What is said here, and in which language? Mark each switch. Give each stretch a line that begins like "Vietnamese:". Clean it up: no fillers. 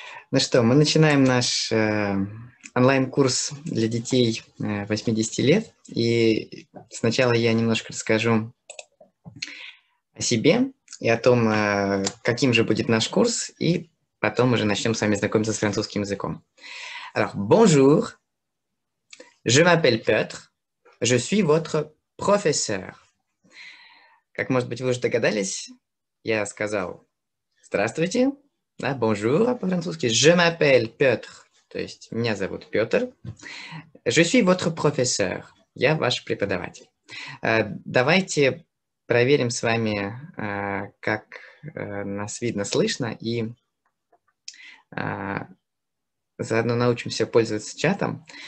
Russian: Ну что, мы начинаем наш онлайн-курс для детей 80 лет. И сначала я немножко расскажу о себе и о том, каким же будет наш курс. И потом уже начнем с вами знакомиться с французским языком.
French: Alors, bonjour, je m'appelle Petr, je suis votre professeur.
Russian: Как, может быть, вы уже догадались, я сказал «Здравствуйте», да,
French: «Bonjour»
Russian: по-французски,
French: «Je m'appelle Петр»,
Russian: то есть «Меня зовут Петр»,
French: «Je suis votre professeur»,
Russian: «Я ваш преподаватель». Давайте проверим с вами, как нас видно, слышно, и заодно научимся пользоваться чатом.